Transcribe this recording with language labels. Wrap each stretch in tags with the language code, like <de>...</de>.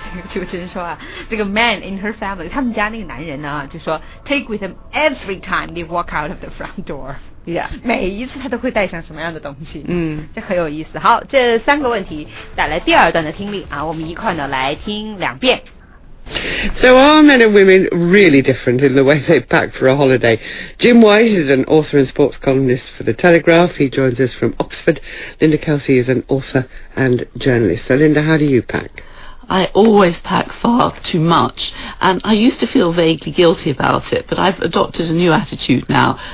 <zh>就真说啊，这个</zh> <en>man in her family,</en> <zh>他们家那个男人呢，就说</zh> <en>take with him every time they walk out of the front door. Yeah.</en> <zh>每一次他都会带上什么样的东西。嗯，这很有意思。好，这三个问题带来第二段的听力啊，我们一块呢来听两遍。</zh> <en>So are men and women really different in the way they pack for a holiday? Jim White is an author and sports columnist for The Telegraph. He joins us from Oxford. Linda Kelsey is an author and journalist. So Linda, how do you pack? I always pack far too much. And I used to feel vaguely guilty about it, but I've adopted a new attitude now.</en>